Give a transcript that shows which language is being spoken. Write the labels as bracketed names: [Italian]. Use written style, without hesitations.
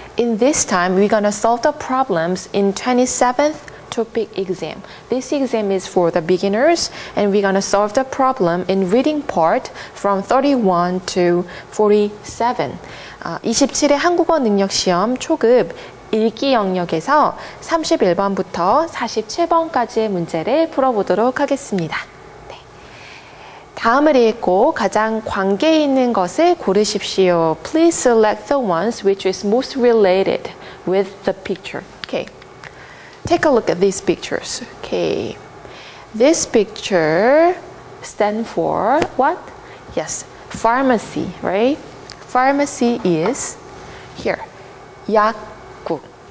[English] In this time, we're going to solve the problems in 27th topic exam. This exam is for the beginners and we're going to solve the problem in reading part from 31 to 47. [Korean] 27의 한국어 능력 시험 초급 읽기 영역에서 31번부터 47번까지의 문제를 풀어보도록 하겠습니다. 다음을 읽고 가장 관계 있는 것을 고르십시오. [English] Please select the ones which is most related with the picture. Okay. Take a look at these pictures. Okay. This picture stands for what? Yes. Pharmacy, right? Pharmacy is here. 약국.